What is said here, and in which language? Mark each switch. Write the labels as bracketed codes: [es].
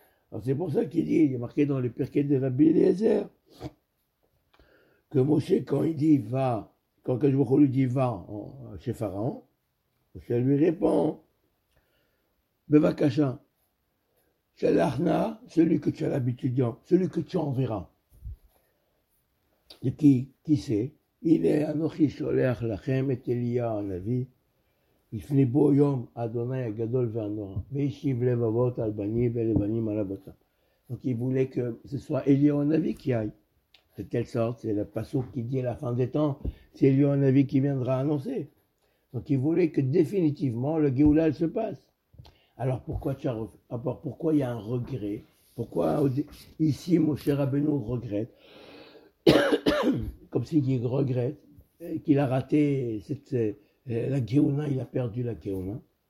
[fr] Alors c'est pour ça qu'il dit, il est marqué dans les Pirkei de Rabbi Eliezer, que Moshe, quand il dit va, quand Kadosh Baruch Hu lui dit va chez Pharaon, Moshe lui répond, [he] Bevakasha, Shalachna, [fr] celui que tu as l'habitude d'en, celui que tu enverras. Et qui sait? [he] הנה אנוכי שולח לכם את אליהו הנביא לפני בו יום אדוני הגדול והנורא, וישיב לבבות על בנים ולבנים על אבותם. [fr] Donc il voulait que ce soit Élie en avis qui aille. De telle sorte, c'est le passage qui dit à la fin des temps, c'est Élie en avis qui viendra annoncer. Donc il voulait que définitivement le Géoulal se passe. Alors pourquoi tu as alors pourquoi il y a un regret? Pourquoi ici mon cher Abenou regrette? Comme s'il regrette qu'il a raté cette, la Géouna, il a perdu la Géouna.